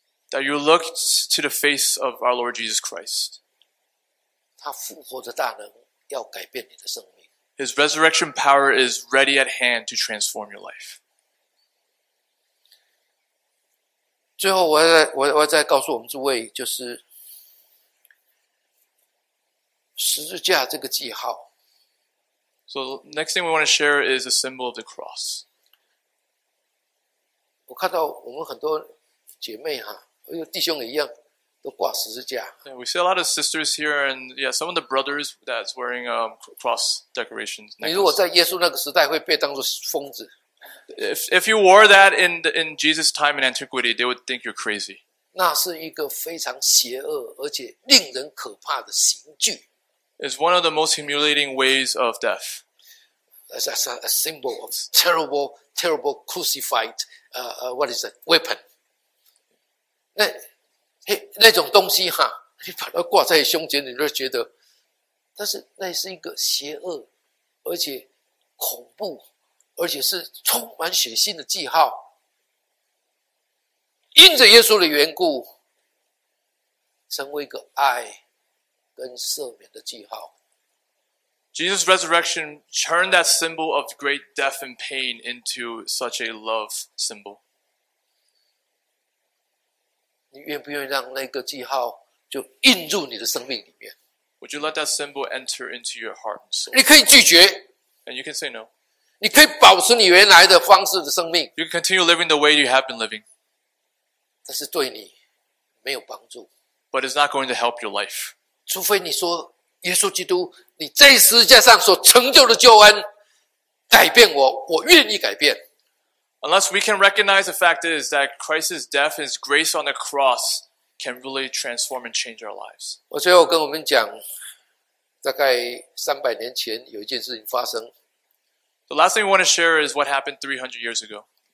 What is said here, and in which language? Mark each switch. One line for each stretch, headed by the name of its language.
English: That you look to the face of our Lord Jesus Christ.
Chinese: 他复活的大能要改变你的生命。
English: His resurrection power is ready at hand to transform your life.
Chinese: 最后我再告诉我们诸位，就是十字架这个记号。
English: So the next thing we want to share is the symbol of the cross.
Chinese: 我看到我们很多姐妹哈，还有弟兄也一样，都挂十字架。
English: Yeah, we see a lot of sisters here, and yeah, some of the brothers that's wearing cross decorations.
Chinese: 你如果在耶稣那个时代会被当作疯子。
English: If you wore that in Jesus' time in antiquity, they would think you're crazy.
Chinese: 那是一个非常邪恶而且令人可怕的刑具。
English: It's one of the most humiliating ways of death. That's a symbol of terrible, terrible crucified. What is that weapon?
Chinese: 那种东西哈，你把它挂在胸前，你就觉得，但是那是一个邪恶，而且恐怖，而且是充满血腥的记号。因着耶稣的缘故，成为一个爱跟赦免的记号。
English: Jesus' resurrection turned that symbol of great death and pain into such a love symbol.
Chinese: 你愿不愿意让那个记号就印入你的生命里面
English: ？Would you let that symbol enter into your heart and soul？
Chinese: 你可以拒绝
English: ，and you can say no。
Chinese: 你可以保持你原来的方式的生命
English: ，you can continue living the way you have been living。
Chinese: 但是对你没有帮助。
English: But it's not going to help your life.
Chinese: 除非你说耶稣基督，你在十字架上所成就的救恩改变我，我愿意改变。
English: Unless we can recognize the fact is that Christ's death, His grace on the cross, can really transform and change our lives.
Chinese: 我最后跟我们讲，大概300年前有一件事情发生。
English: The last thing we want to share is what happened 300 years ago.